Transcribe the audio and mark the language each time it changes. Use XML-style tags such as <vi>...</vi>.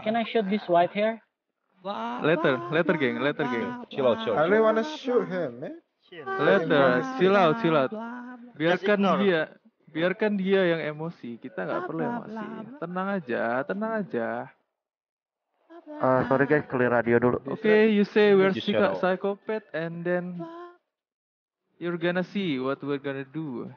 <en>Can I shoot this white hair? Later, gang. Chill out, chill out. I really wanna shoot him, man. Later, chill out, chill out.</en> <id>Biarkan dia. Biarkan dia yang emosi, kita gak perlu emosi. Tenang aja.</id> <en>Sorry guys, clear radio dulu. Okay, you say we're psychopath and then you're gonna see what we're gonna do.</en>